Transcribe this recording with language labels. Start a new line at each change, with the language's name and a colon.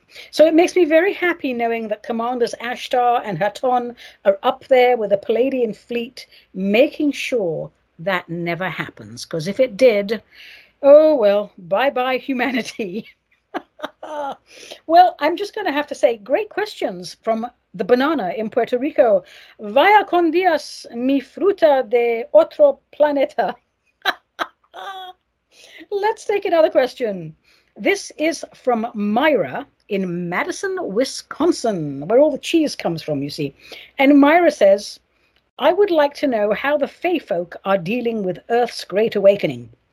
English: So it makes me very happy knowing that Commanders Ashtar and Hatton are up there with the Palladian fleet, making sure that never happens. Because if it did, oh, well, bye-bye humanity. Well, I'm just going to have to say, great questions from the banana in Puerto Rico.
Spanish: Vaya con Dios, mi fruta de otro planeta.
English: Let's take another question. This is from Myra in Madison, Wisconsin, where all the cheese comes from, you see. And Myra says, I would like to know how the Fae folk are dealing with Earth's Great Awakening.